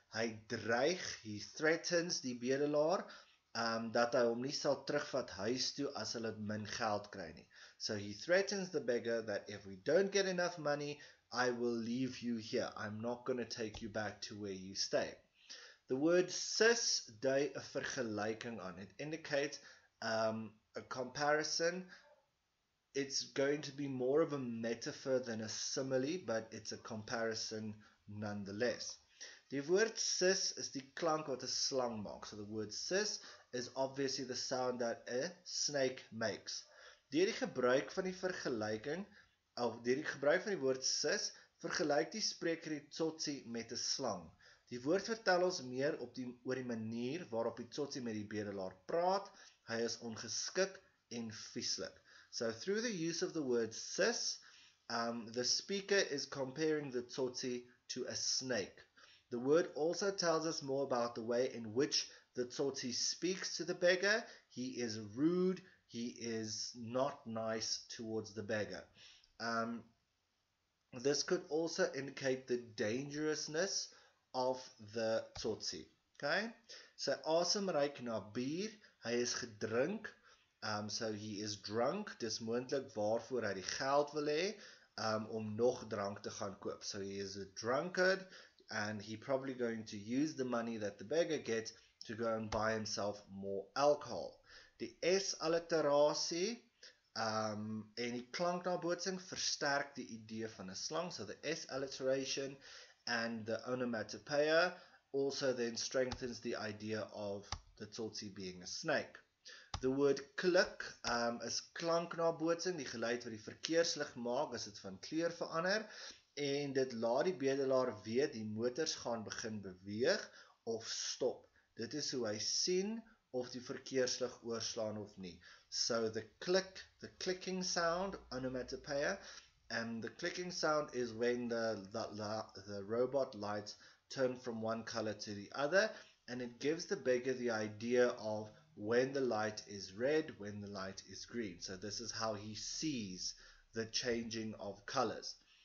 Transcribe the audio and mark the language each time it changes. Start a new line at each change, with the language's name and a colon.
Afrikaans: Hy dreig,
English: he threatens
Afrikaans: die bedelaar, dat hy hom nie sal terugvat huis toe as hulle min geld kry nie.
English: So he threatens the beggar that if we don't get enough money, I will leave you here. I'm not going to take you back to where you stay. The word
Afrikaans: sis dui 'n vergelyking aan.
English: It indicates a comparison. It's going to be more of a metaphor than a simile, but it's a comparison nonetheless.
Afrikaans: Die woord sis is die klank wat 'n slang maak.
English: So the word sis is obviously the sound that a snake makes.
Afrikaans: Deur die gebruik van die vergelyking of deur die gebruik van die woord sis, vergelyk die spreker die tsotsie met 'n slang. Die woord vertel ons meer oor die manier waarop die tsotsie met die bedelaar praat. Hy is ongeskik en vieslik.
English: So through the use of the word sis, the speaker is comparing the tsotsie to a snake. The word also tells us more about the way in which the tsotsie speaks to the beggar. He is rude, he is not nice towards the beggar. This could also indicate the dangerousness of the tsotsie. Okay?
Afrikaans: Sy asem ruik na bier, hy is gedrink,
English: so he is drunk,
Afrikaans: dis moontlik waarvoor hy die geld wil hê, om nog drank te gaan koop.
English: So he is a drunkard, and he probably going to use the money that the beggar gets to go and buy himself more alcohol.
Afrikaans: Die S alliterasie, en die klanknabootsing versterk die idee van 'n slang,
English: so the S alliteration and the onomatopoeia also then strengthens the idea of the tsotsie being a snake. The word
Afrikaans: klik is klanknabootsing, die geluid wat die verkeerslig maak as dit van kleur verander, en dit laat die bedelaar weet die motors gaan begin beweeg of stop. Dit is hoe hy sien of die verkeerslig oorslaan of nie.
English: So the click, the clicking sound, onomatopoeia, and the clicking sound is when the robot lights turn from one color to the other, and it gives the beggar the idea of when the light is red, when the light is green. So this is how he sees the changing of colors.